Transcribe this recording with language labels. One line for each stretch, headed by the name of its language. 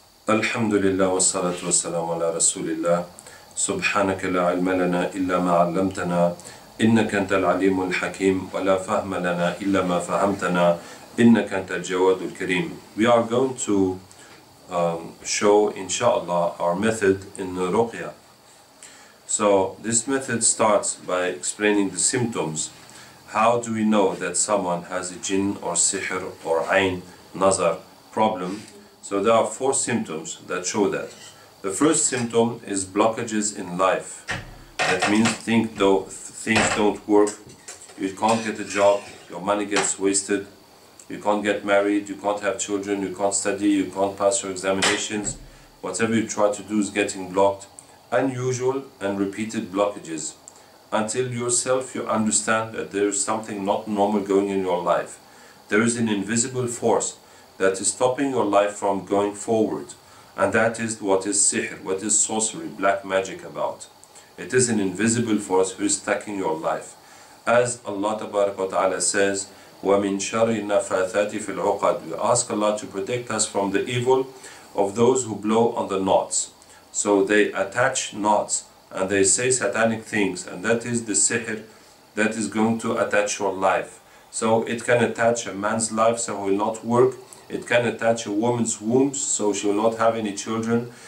Arabic: الحمد لله والصلاة والسلام على رسول الله. سبحانك لا علم لنا إلا ما علمتنا إنك أنت العليم الحكيم ولا فهم لنا إلا ما فهمتنا إنك أنت الجواد الكريم.
English: We are going to show inshallah our method in the Ruqya. So this method starts by explaining the symptoms. How do we know that someone has a jinn or sihr or ayn, nazar problem? So there are four symptoms that show that. The first symptom is blockages in life. That means things don't work, you can't get a job, your money gets wasted, you can't get married, you can't have children, you can't study, you can't pass your examinations. Whatever you try to do is getting blocked. Unusual and repeated blockages. Until yourself you understand that there is something not normal going in your life. There is an invisible force that is stopping your life from going forward. And that is what is sihr, what is sorcery, black magic about. It is an invisible force who is attacking your life. As Allah Ta'ala says,
Arabic: وَمِن شَرِّ النَّفَّاثَاتِ فِي الْعُقَدِ.
English: We ask Allah to protect us from the evil of those who blow on the knots. So they attach knots and they say satanic things, and that is the sihr that is going to attach your life. So it can attach a man's life so he will not work. It can attach a woman's womb so she will not have any children.